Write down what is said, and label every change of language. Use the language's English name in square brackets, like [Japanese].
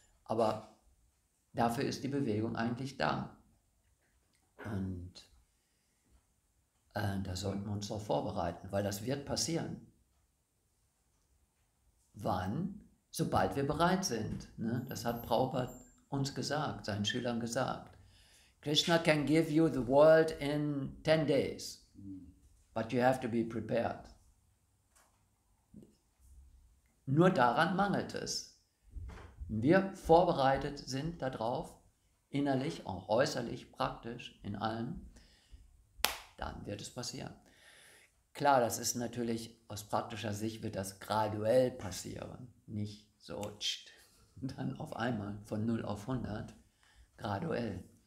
[German] Aber dafür ist die Bewegung eigentlich da. Und da sollten wir uns darauf vorbereiten, weil das wird passieren. Wann? Sobald wir bereit sind. Ne? Das hat Prabhupada uns gesagt, seinen Schülern gesagt. [English] Krishna can give you the world in 10 days, but you have to be prepared. [German] Nur daran mangelt es. Wenn wir vorbereitet sind darauf, innerlich, auch äußerlich, praktisch, in allem, dann wird es passieren. Klar, das ist natürlich, aus praktischer Sicht wird das graduell passieren, nicht so tscht, dann auf einmal von 0 auf 100, graduell.